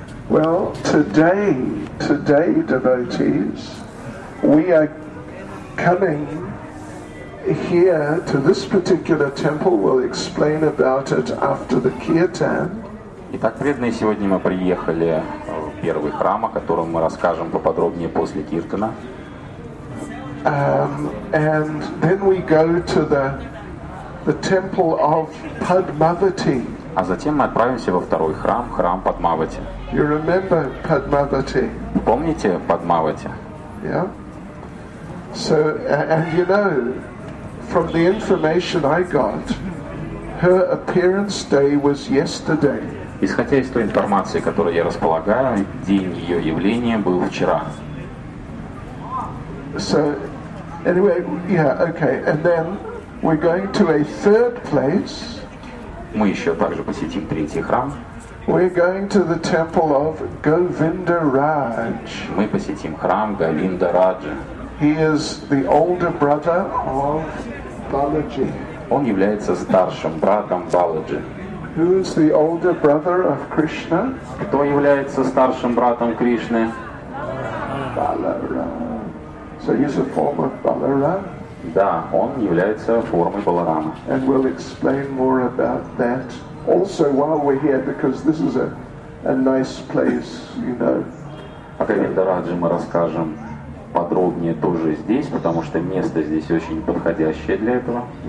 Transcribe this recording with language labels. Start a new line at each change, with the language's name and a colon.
English: Well, today, devotees, we are coming here to this particular temple. We'll explain about it after the kirtan.
Russian: Итак, преданные, сегодня мы приехали в первый храм, о котором мы расскажем поподробнее после киртана.
English: And then we go to the temple of Padmavati.
Russian: А затем мы отправимся во второй храм, храм Падмавати.
English: You remember Padmavati?
Russian: Помните Падмавати?
English: Yeah. So, and you know, from the information I got, her appearance day was yesterday.
Russian: Исходя из той информации, которую я располагаю, день ее явления был вчера.
English: So, anyway, yeah, okay. And then we're going to a third place.
Russian: Мы еще также посетим третий храм.
English: We're going to the temple of Govinda Raj.
Russian: Мы посетим храм Говинда Раджа.
English: He is the older brother of Balaji.
Russian: Он является старшим братом Баладжи.
English: Who is the older brother of Krishna?
Russian: Кто является старшим братом Кришны?
English: Balaram. So he's a form of Balaram?
Russian: Да, он является формой Баларама.
English: And we'll explain more about that also while we're here, because this is a nice place, you know.
Russian: О Говинда Радже мы расскажем подробнее тоже здесь, потому что место здесь очень подходящее для этого.